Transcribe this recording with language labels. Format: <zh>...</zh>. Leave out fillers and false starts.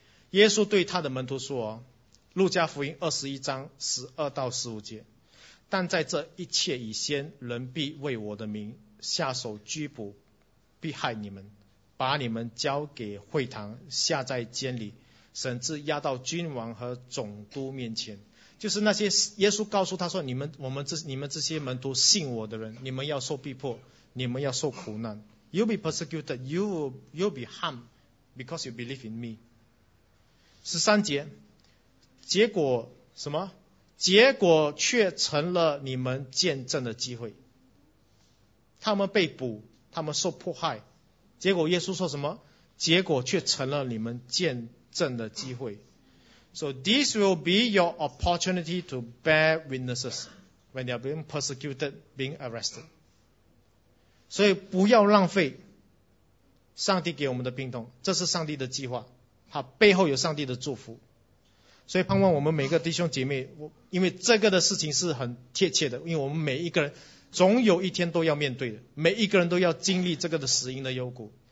<zh>耶稣对他的门徒说路加福音21:12-15，但在这一切以先，人必为我的名下手拘捕，必害你们，把你们交给会堂，下在监里，甚至押到君王和总督面前。就是那些耶稣告诉他说，你们这些门徒信我的人，你们要受逼迫，你们要受苦难。</zh> <en>You'll be persecuted, you'll be harmed because you believe in me。</en> <zh>13节，结果什么？结果却成了你们见证的机会。他们被捕，他们受迫害，结果耶稣说什么？结果却成了你们见证的机会。</zh> <en>So this will be your opportunity to bear witnesses when they are being persecuted, being arrested.</en> <zh>所以不要浪费上帝给我们的病痛，这是上帝的计划，他背后有上帝的祝福。所以盼望我们每个弟兄姐妹，因为这个的事情是很贴切的，因为我们每一个人总有一天都要面对的，每一个人都要经历这个的死荫的幽谷。</zh>